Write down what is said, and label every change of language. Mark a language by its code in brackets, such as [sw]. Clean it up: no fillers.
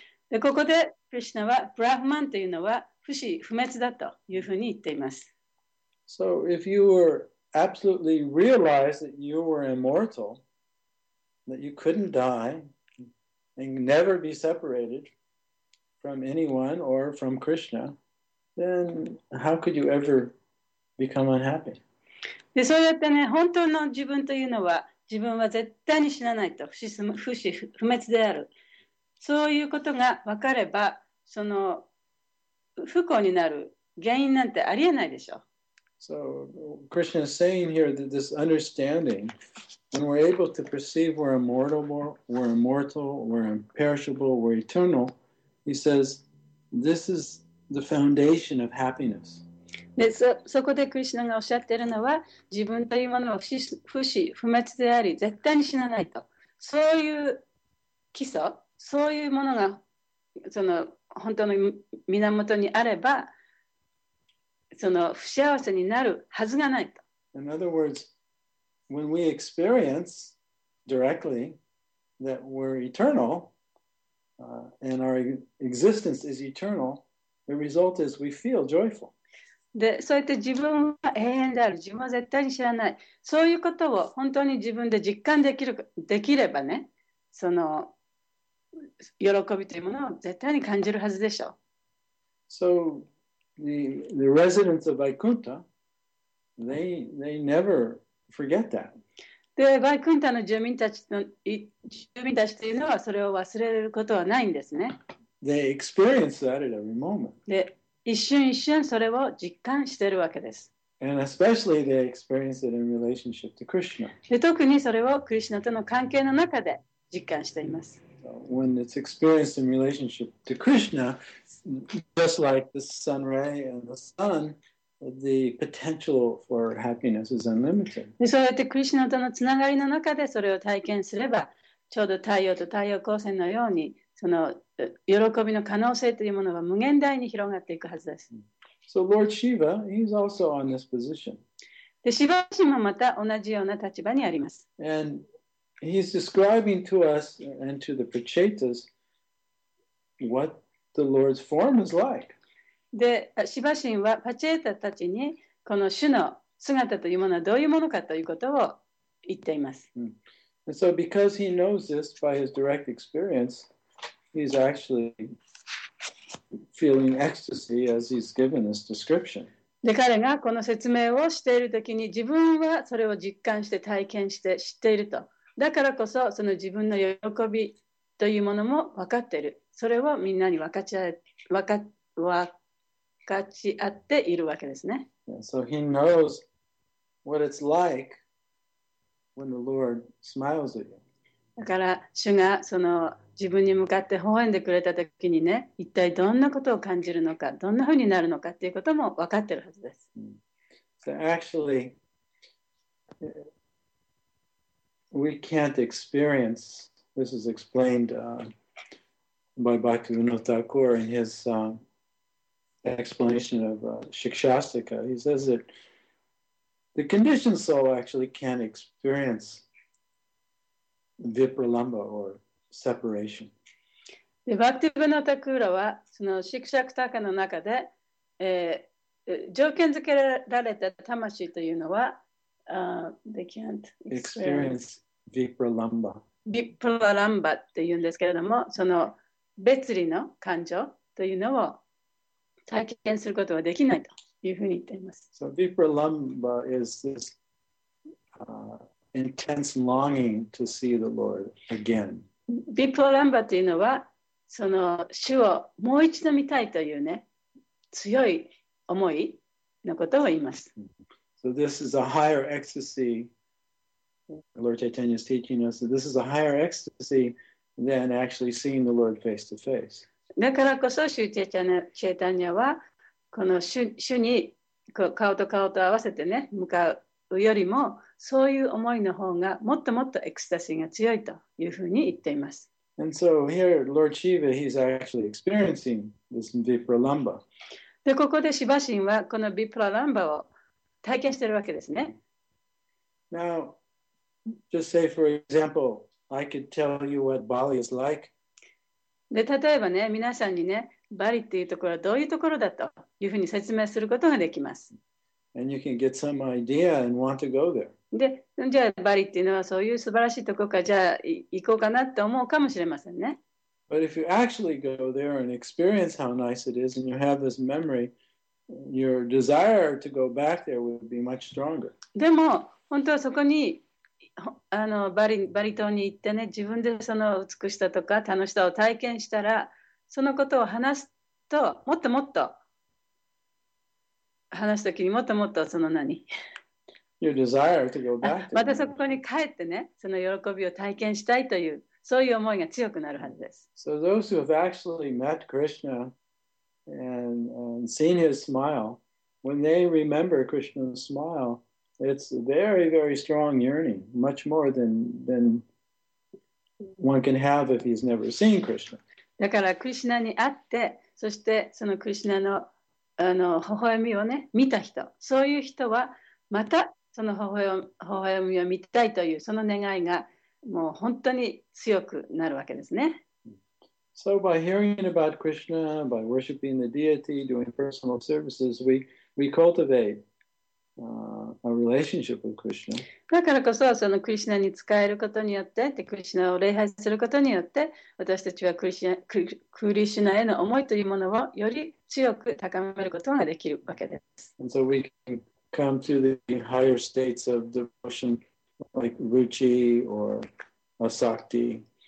[ja] で、ここでクリシュナはブラフマンというのは不死不滅だというふうに言っています。 [en] So if you were absolutely realized that you were immortal, that you couldn't die and never be separated from anyone or from Krishna,Then how could you ever become unhappy? [ja] で、そうやってね、本当の自分というのは、自分は絶対に死なないと、不死不滅である。そういうことが分かれば、その不幸になる原因なんてありえないでしょう。 [en] So Krishna is saying here that this understanding, when we're able to perceive we're immortal, we're immortal, we're imperishable, we're eternal, he says, this is. The foundation of happiness. [ja] で、そこでクリシュナがおっしゃっているのは、自分というものは不死不滅であり、絶対に死なないと。そういう基礎、そういうものがその本当の源にあれば、その不幸せになるはずがないと。 [en] In other words, when we experience directly that we're eternal, and our existence is eternal,The result is we feel joyful. [ja] で、そうやって自分は永遠である、自分は絶対に知らない、そういうことを本当に自分で実感できればね、その喜びというものを絶対に感じるはずでしょう。 [en] So the residents of Vaikuntha, they never forget that. [ja] で、Vaikunthaの住民たちというのはそれを忘れることはないんですね。 [en] They experience that at every moment. [ja] で、一瞬一瞬それを実感しているわけです。 [en] And especially they experience it in relationship to Krishna. [ja] で、特にそれをクリシナとの関係の中で実感しています。 [en] When it's experienced in relationship to Krishna, just like the sun ray and the sun, the potential for happiness is unlimited. [ja] で、そうやってクリシナとのつながりの中でそれを体験すれば、ちょうど太陽と太陽光線のようにその喜びの可能性というものが無限大に広がっていくはずです。 [en] So Lord Shiva, he's also on this position. [ja] で、シヴァ氏もまた同じような立場にあります。 [en] And he's describing to us and to the Prachetas what the Lord's form is like. [ja] で、シヴァ氏はパチェータたちにこの主の姿というものはどういうものかということを言っています。 [en] And so because he knows this by his direct experience, he's actually feeling ecstasy as he's given this description. [ja] で、彼がこの説明をしているときに自分はそれを実感して体験して知っていると。だからこそその自分の喜びというものも分かっている。それをみんなに分かち合っているわけですね。 [en] So he knows what it's like when the Lord smiles at you. [ja] だから主がその自分に向かって微笑んでくれた時にね、一体どんなことを感じるのか、どんな風になるのかっていうことも分かってるはずです。 [en] So actually, we can't experience, this is explained by Bhaktivinoda Thakur in his explanation of Shikshastika. He says that the conditioned soul actually can't experience Vipralamba or separation. [ja] で、バクティブナタクーラはそのシクシャクタカの中で、条件付けられた魂というのは、 [en] they can't experience Vipralamba. [ja] Vipralamba っていうんですけれども、その別離の感情というのを体験することはできないというふうに言っています。 [en] So Vipralamba is this intense longing to see the Lord again. [ja] Vipralamba というのはその主をもう一度見たいというね、強い思いのことを言います。 [en] So this is a higher ecstasy. Lord Chaitanya is teaching us that this is a higher ecstasy than actually seeing the Lord face to face. [ja] だからこそシュチェタニアはこの 主に顔と顔と合わせてね向かうよりもそういう思いの方がもっともっとエクスタシーが強いというふうに言っています。 [en] And so here, Lord Shiva, he's actually experiencing this Vipralamba. [ja] で、ここでシバシンはこの Vipralamba を体験しているわけですね。 [en] Now, just say for example, I could tell you what Bali is like. [ja] で例えばね、皆さんにね、バリっていうところはどういうところだというふうに説明することができます。 [en] And you can get some idea and want to go there. [ja] で、じゃあバリっていうのはそういう素晴らしいところか、じゃあ行こうかなと思うかもしれませんね。 [en] But if you actually go there and experience how nice it is and you have this memory, your desire to go back there would be much stronger. [ja] でも、本当はそこにバリ島に行ってね、自分でその美しさとか楽しさを体験したら、そのことを話すと、もっともっと、話すときにもっともっとその何 [en] Your desire to go back to [ja] またそこに帰ってね、その喜びを体験したいという、そういう思いが強くなるはずです。 [en] So those who have actually met Krishna and seen his smile, when they remember Krishna's smile,It's very, very strong yearning, much more than one can have if he's never seen Krishna. [ja] だから、クリシュナに会って、そしてそのクリシュナの、微笑みをね、見た人、そういう人は、またその微笑みを見たいという、その願いが、もう本当に強くなるわけですね。 [en] So by hearing about Krishna, by worshiping the deity, doing personal services, we cultivate. A relationship with Krishna. [ja] だからこそそのクリシナに仕えることによってでクリシナを礼拝することによって私たちはクリシナへの思いというものをより強く高めることができるわけです。 [en] And so we can come to the higher states of devotion like Ruchi or Asakti.